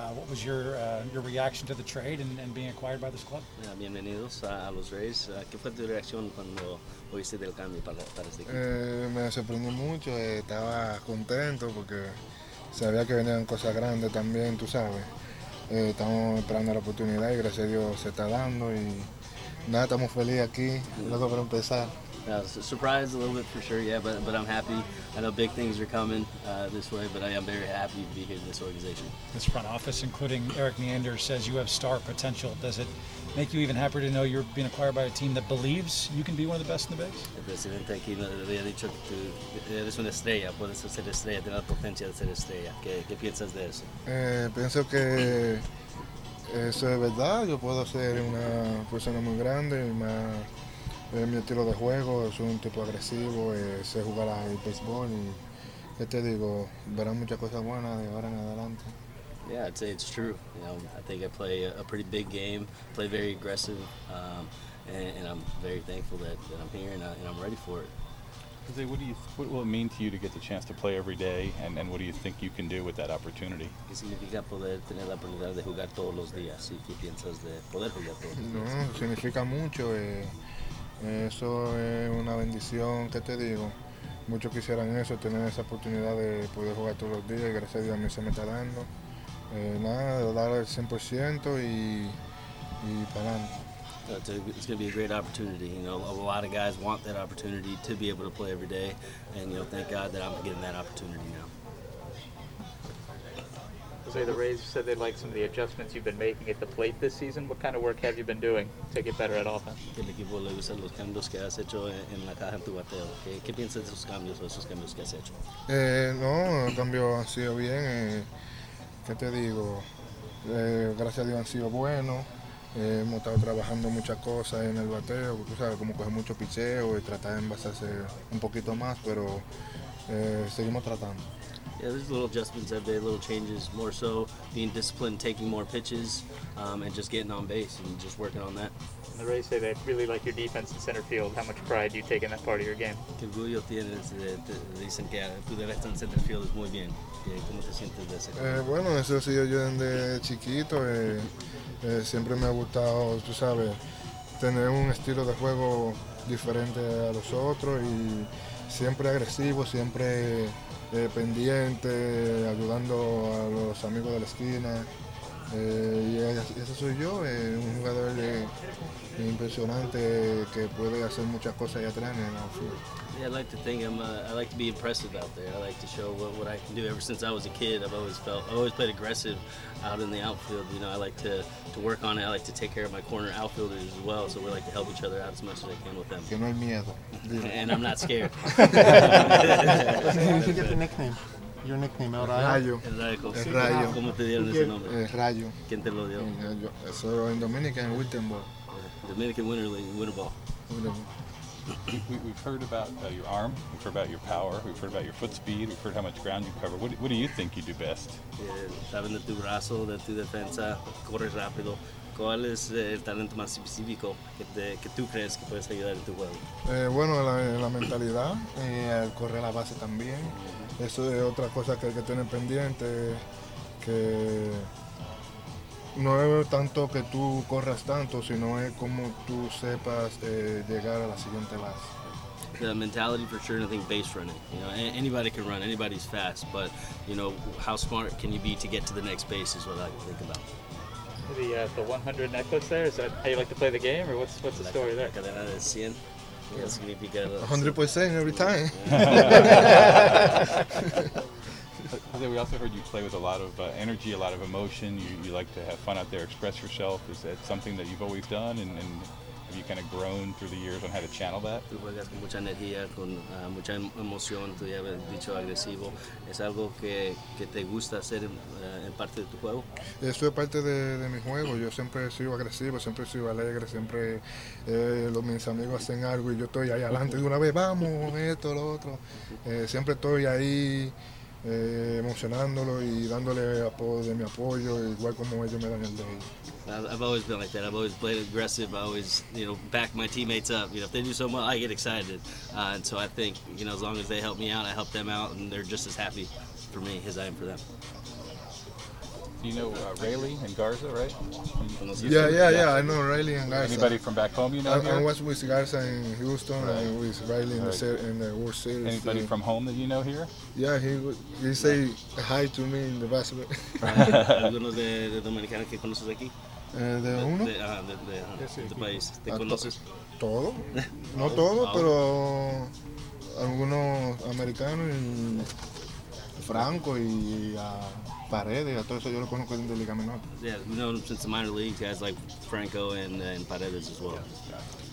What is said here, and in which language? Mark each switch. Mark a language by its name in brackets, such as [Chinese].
[English] What was your reaction to the trade and being acquired by this club? [Spanish] Bienvenidos a los Rays. ¿Qué fue tu reacción cuando oíste del cambio para este equipo? Me sorprendió mucho. Estaba contento porque sabía que venían cosas grandes también, tú sabes. Estamos esperando la oportunidad y gracias a Dios se está dando y nada, estamos felices aquí. Luego para empezar. [English] Surprised a little bit for sure, yeah, but I'm happy. I know big things are coming this way, but I am very happy to be here in this organization. This front office, including Eric Neander, says you have star potential. Does it make you even happier to know you're being acquired by a team that believes you can be one of the best in the bigs? [Spanish] El presidente aquí le ha dicho que eres una estrella, puedes ser estrella, tienes la potencia de ser estrella. ¿Qué piensas de eso? Pienso que eso es verdad. Yo puedo ser una persona muy grande y más. Mi estilo de juego es un tipo agresivo, sé jugar al béisbol y ya te digo, verán muchas cosas buenas de ahora en adelante. [English] Yeah, I'd say it's true. You know, I think I play a pretty big game, play very aggressive, and I'm very thankful that I'm here and I'm ready for it. Jose, what will it mean to you to get the chance to play every day, and what do you think you can do with that opportunity? [Spanish] ¿Qué significa poder tener la oportunidad de jugar todos los días? ¿Y qué piensas de poder jugar todos los días? No, significa mucho. Eso es una bendición, ¿qué te digo? Muchos quisieran eso, tener esa oportunidad de poder jugar todos los días y gracias a Dios a mí se me está dando. Nada, dar el 100% y para adelante. [English] It's going to be a great opportunity. You know, a lot of guys want that opportunity to be able to play every day. And, you know, thank God that I'm getting that opportunity now. Jose, the Rays said they like some of the adjustments you've been making at the plate this season. What kind of work have you been doing to get better at offense? [Spanish] El equipo le gusta los cambios que has hecho en la caja en tu bateo. ¿Qué piensas de esos cambios que has hecho? No, el cambio ha sido bien. ¿Qué te digo? Gracias a Dios han sido buenos. Hemos estado trabajando muchas cosas en el bateo. Tú sabes, como coger mucho picheo y tratar de envasarse un poquito más, pero seguimos tratando. [English] Yeah, there's little adjustments every day, little changes, more so being disciplined, taking more pitches, and just getting on base and just working on that. The Rays say they really like your defense in center field. How much pride do you take in that part of your game? [Spanish] Qué orgullo tienes, dicen que tu defensa en center field es muy bien. ¿Cómo te sientes de ese? Bueno, eso sí, yo desde chiquito siempre me ha gustado, tú sabes, tener un estilo de juego diferente a los otros y siempre agresivo, siempre pendiente, ayudando a los amigos de la esquina, y ese soy yo, un jugador impresionante que puede hacer muchas cosas allá atrás en el field. [English] Yeah, I like to think I like to be impressive out there. I like to show what I can do. Ever since I was a kid, I've always played aggressive out in the outfield. You know, I like to work on it. I like to take care of my corner outfielders as well. So we like to help each other out as much as I can with them. [Spanish] Que no hay miedo. [English] And I'm not scared. Did you get the nickname? Your nickname, El Rayo. [Spanish] Rayo. El Rayo. El Rayo. ¿Cómo te dieron ese nombre? El Rayo. ¿Quién te lo dio? Eso es en Dominican, en Wittenball. [English] Dominican Winter League, Winter Ball. We've heard about your arm, we've heard about your power, we've heard about your foot speed, we've heard how much ground you cover. What do you think you do best? [Spanish] Saben de tu brazo, de tu defensa, corres rápido. ¿Cuál es el talento más específico que tú crees que puedes ayudar en tu juego? Bueno, la mentalidad, el correr a la base también. Eso es otra cosa que hay que tener pendiente, que no es tanto que tú corras tanto, sino es como tú sepas llegar a la siguiente base. [English] The mentality for sure, and I think base running. You know, anybody can run, anybody's fast, but you know, how smart can you be to get to the next base is what I think about. The 100 necklace there, is that how you like to play the game, or what's the story there? [Spanish] Cadena de 100. [English] 100% every time. Jose, we also heard you play with a lot of energy, a lot of emotion. You like to have fun out there, express yourself. Is that something that you've always done? And have you kind of grown through the years on how to channel that? [Spanish] Tú juegas con mucha energía, con mucha emoción. Tú ya has dicho agresivo. ¿Es algo que te gusta hacer en parte de tu juego? Eso es parte de mi juego. Yo siempre sigo agresivo, siempre sigo alegre, siempre mis amigos hacen algo y yo estoy ahí adelante de una vez. Vamos, esto, lo otro. Siempre estoy ahí emocionándolo y dándole mi apoyo, igual como ellos me dan el de ellos. [English] I've always been like that. I've always played aggressive. I always, you know, back my teammates up. You know, if they do so well, I get excited. And so I think, you know, as long as they help me out, I help them out, and they're just as happy. for me as I am for them. You know Rayleigh and Garza, right? Yeah. I know Rayleigh and Garza. Anybody from back home you know? I was with Garza in Houston, right. And with Rayleigh in the World Series. Anybody from home that you know here? Yeah, he say hi to me in the basketball. [Spanish] ¿Alguno de Dominicana que conoces aquí? De uno? De país. ¿Te conoces? Todo. No todo, pero algunos americanos, Franco y Paredes, a todo eso yo lo conozco desde la Liga Menor. [English] Yeah, we know since the minor league, guys like Franco and Paredes as well. Yeah.